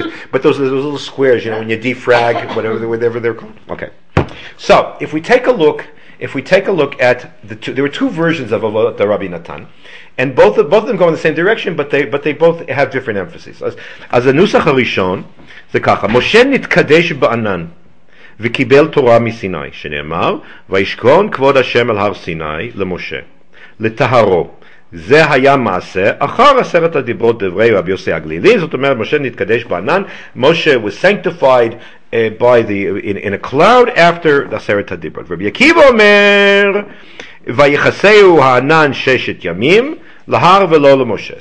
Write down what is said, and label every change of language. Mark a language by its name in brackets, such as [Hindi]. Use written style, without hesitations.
[English] But those little squares, when you defrag, whatever they're called. Okay. So, if we take a look at the two, there were two versions of the Rabbi Natan, and both of them go in the same direction, but they both have different emphases. As a nusach harishon, the kacha, [Hebrew] Moshe nitkadesh ba'anan. וקיבל תורה מסיני, שנאמר, וישכון כבוד השם על הר סיני למשה, לטהרו. זה היה מעשה אחר עשרת הדיברות דברי רבי יוסי הגלילי. זאת אומרת, משה נתקדש בענן, [English] משה was sanctified by the in a cloud after the עשרת הדיברות. [Hebrew] רבי עקיבא אומר, ויחסהו הענן ששת ימים להר ולא למשה.